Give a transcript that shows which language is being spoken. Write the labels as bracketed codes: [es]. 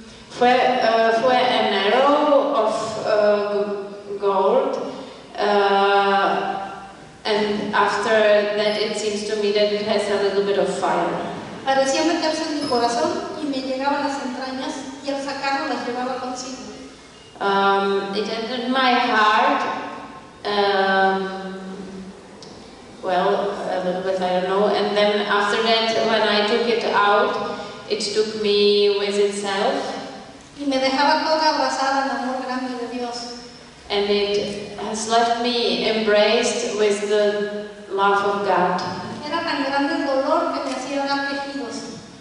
[es] Fue [en] an arrow of gold, and after that it seems to me that it has a little bit of fire. [es] Parecía meterse en mi corazón y me llegaba a las entrañas y al sacarlo las llevaba consigo. [en] It entered my heart. Well, a little bit, I don't know. And then after that, when I took it out, it took me with itself. [es] Y me dejaba toda abrazada en amor grande de Dios. [en] And it has left me embraced with the love of God. [es] Era tan grande el dolor que me hacía dar quejidos.